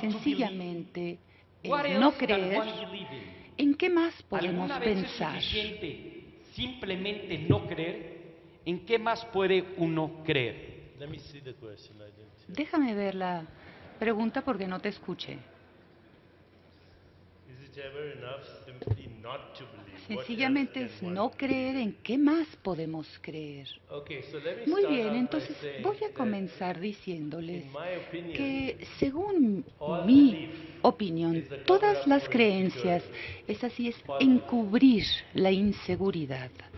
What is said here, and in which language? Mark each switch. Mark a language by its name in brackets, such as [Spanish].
[Spanish] sencillamente no creer. ¿En qué más podemos pensar? ¿Alguna vez es suficiente simplemente no creer? ¿En qué más puede uno creer? [English] Let me see the question. [Spanish] Déjame ver la pregunta porque no te escuché. [English] Is it ever enough simply not to believe? [Spanish] Sencillamente es no creer, ¿en qué más podemos creer? [English] Okay, so let me [Spanish] muy bien, entonces voy a comenzar diciéndoles [English] opinion, [Spanish] que según mi opinión, todas las creencias, es así, es encubrir la inseguridad.